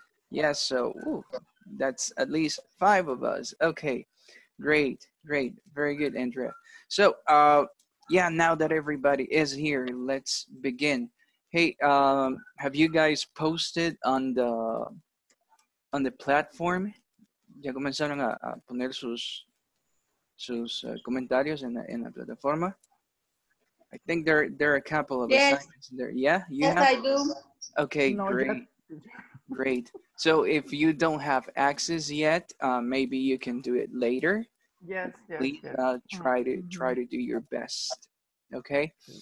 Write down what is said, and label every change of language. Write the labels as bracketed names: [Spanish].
[English] Yes, yeah, so that's at least five of us. Okay, great, great. Very good, Andrea. So, yeah, now that everybody is here, let's begin. Hey, have you guys posted on the platform? [Spanish] ¿Ya comenzaron a poner sus comentarios en la plataforma? [English] I think there are a couple of assignments there. Yeah, you have? Yes, I do. Okay, great. Great. So if you don't have access yet, maybe you can do it later. Yes. Try to do your best. Okay.